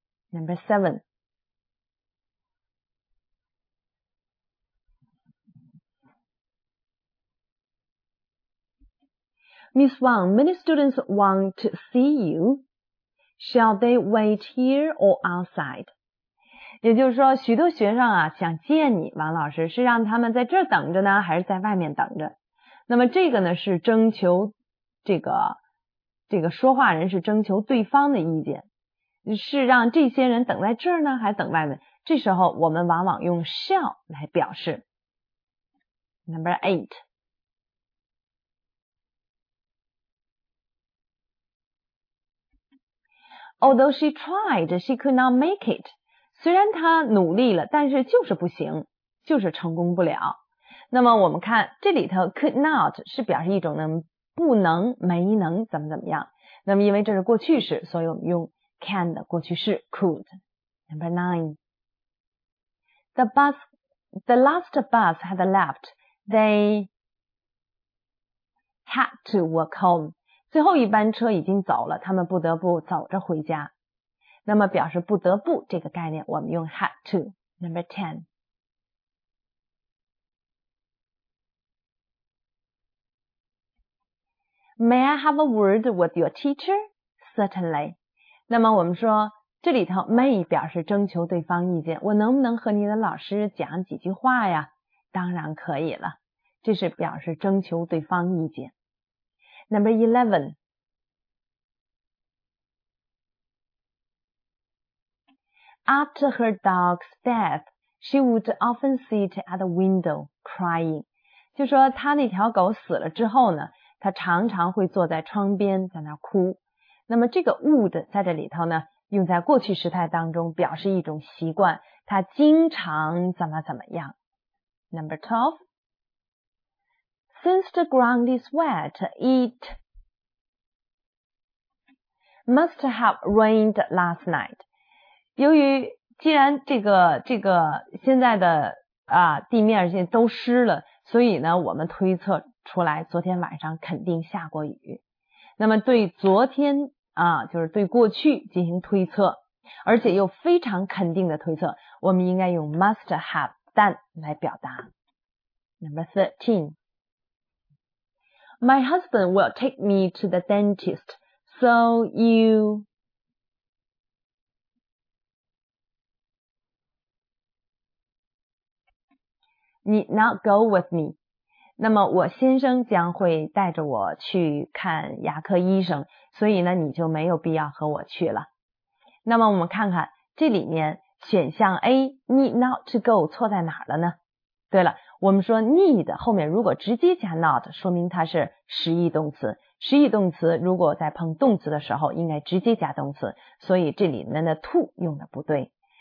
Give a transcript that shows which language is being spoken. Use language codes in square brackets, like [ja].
[en] Number seven, Miss Wang, many students want to see you. Shall they wait here or outside? [zh] 也就是说许多学生啊想见你王老师，是让他们在这儿等着呢还是在外面等着？那么这个呢是征求这个说话人是征求对方的意见，是让这些人等在这儿呢还是等外面？这时候我们往往用 shall 来表示。 [en] Number 8,Although she tried, she could not make it. [zh] 虽然她努力了，但是就是不行，就是成功不了。那么我们看，这里头 could not 是表示一种能不能、没能怎么怎么样。那么因为这是过去式，所以我们用 can 的过去式 could. [en] Number 9. The last bus had left. They had to walk home. [zh] 最后一班车已经走了，他们不得不走着回家。那么表示不得不这个概念，我们用 had to。 [en] Number 10. May I have a word with your teacher? Certainly. [zh] 那么我们说，这里头 may 表示征求对方意见，我能不能和你的老师讲几句话呀？当然可以了，这是表示征求对方意见。 [en] Number 11. After her dog's death, she would often sit at the window crying. [zh] 就说她那条狗死了之后呢，她常常会坐在窗边在那哭。那么这个 would 在这里头呢，用在过去时态当中表示一种习惯，她经常怎么怎么样。 [en] Number 12. Since the ground is wet, it must have rained last night. [zh] 由于既然这个现在的啊地面现在都湿了，所以呢我们推测出来昨天晚上肯定下过雨。那么对昨天啊就是对过去进行推测，而且又非常肯定的推测，我们应该用 must have 但来表达。 [en] Number 13. My husband will take me to the dentist, so you need not go with me. [zh] 那么我先生将会带着我去看牙科医生，所以呢你就没有必要和我去了。那么我们看看这里面选项 A, [en] need not to go [zh] 错在哪儿了呢？对了，我们说 need 后面如果直接加 not 说明它是实义动词，实义动词如果在碰动词的时候应该直接加动词，所以这里面的 to 用的不对。